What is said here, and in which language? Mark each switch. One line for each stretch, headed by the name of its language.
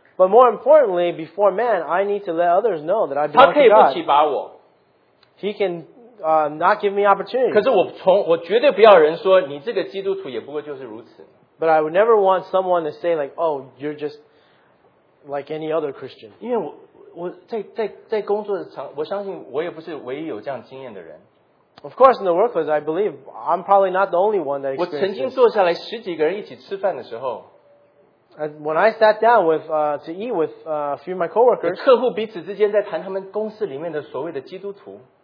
English: But more importantly, before man, I need to let others know that I belong to God. He can not give me opportunity.
Chinese: 可是我绝对不要人说你这个基督徒也不过就是如此。
English: But I would never want someone to say like, oh, you're just like any other Christian.
Chinese: 因为我在工作的场，我相信我也不是唯一有这样经验的人。
English: Of course, in the workplace, I believe I'm probably not the only one that experienced.
Chinese: 我曾经坐下来十几个人一起吃饭的时候。
English: When I sat down with to eat with a few of my coworkers,
Chinese: 客户彼此之间在谈他们公司里面的所谓的基督徒,